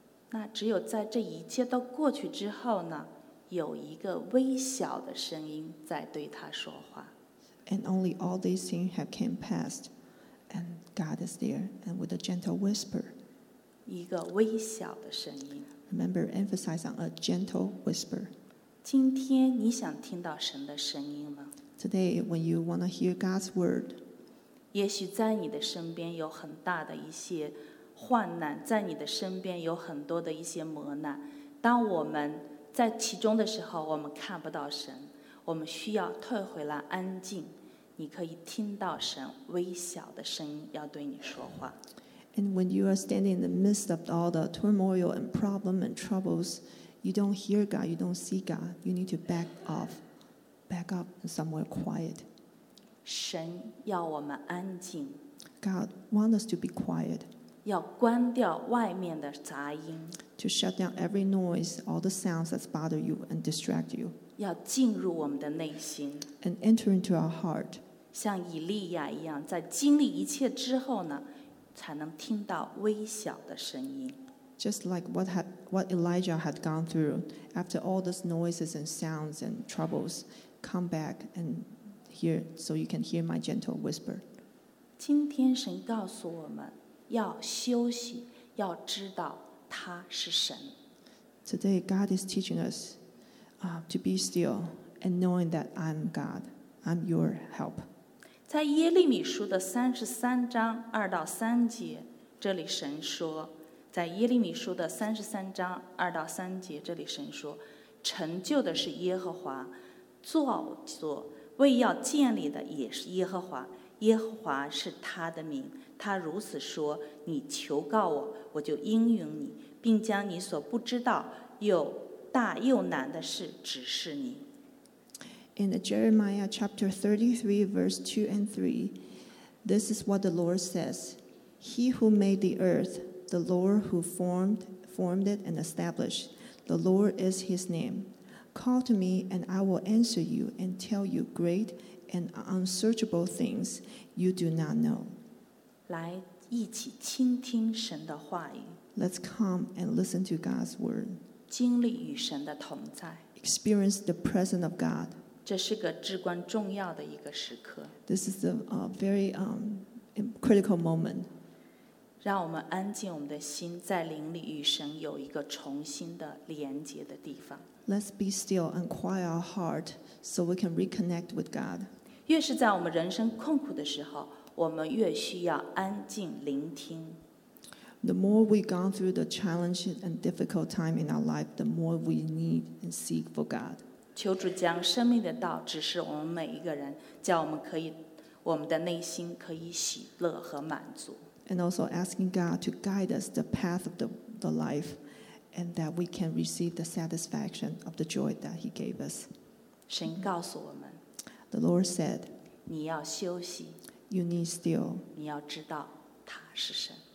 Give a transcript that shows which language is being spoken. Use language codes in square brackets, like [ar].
[zh] 那只有在这一切都过去之后呢，有一个微小的声音在对他说话。 [en] And only all these things have came past, and God is there, and with a gentle whisper. [zh] 一个微小的声音。 [en] Remember, emphasize on a gentle whisper. [zh] 今天你想听到神的声音吗？ [en] Today, when you want to hear God's word, [zh] 也许在你的身边有很大的一些患难，在你的身边有很多的一些磨难。当我们在其中的时候，我们看不到神，我们需要退回来安静。你可以听到神微小的声音要对你说话。 [en] And when you are standing in the midst of all the turmoil and problem and troubles, you don't hear God, you don't see God. You need to back up somewhere quiet. [zh] 神要我们安静。 [en] God wants us to be quiet. [zh] 要关掉外面的杂音。 [en] To shut down every noise, all the sounds that bother you and distract you. [zh] 要进入我们的内心。 [en] And enter into our heart. [zh] 像以利亚一样，在经历一切之后呢？才能听到微小的声音。 [en] Just like what Elijah had gone through, after all those noises and sounds and troubles, come back and hear, so you can hear my gentle whisper. [zh] 今天神告诉我们要休息，要知道他是神。 [en] Today God is teaching us to be still and knowing that I'm God, I'm your help. [zh] 在耶利米书的33:2-3，这里神说，在耶利米书的33:2-3，这里神说，成就的是耶和华，造作为要建立的也是耶和华，耶和华是他的名，他如此说，你求告我，我就应允你，并将你所不知道又大又难的事指示你。 [en] In Jeremiah chapter 33, verse 2 and 3, this is what the Lord says. He who made the earth, the Lord who formed it and established, the Lord is his name. Call to me and I will answer you and tell you great and unsearchable things you do not know. [zh] 来，一起倾听神的话语。 [en] Let's come and listen to God's word. [zh] 经历与神的同在。 [en] Experience the presence of God. [zh] 这是个至关重要的一个时刻。 [en] This is a very critical moment. [zh] 让我们安静我们的心，在灵里与神有一个重新的连接的地方。 [en] Let's be still and quiet our heart so we can reconnect with God. [zh] 越是在我们人生困苦的时候，我们越需要安静聆听。 [en] The more we've gone through the challenges and difficult time in our life, the more we need and seek for God. [zh] 求主将生命的道指示我们每一个人，叫我们可以，我们的内心可以喜乐和满足。 [en] And also asking God to guide us the path of the life, and that we can receive the satisfaction of the joy that He gave us. [zh] 神告诉我们。 [en] The Lord said, [zh] 你要休息。 [en] You need still. [zh] 你要知道他是神。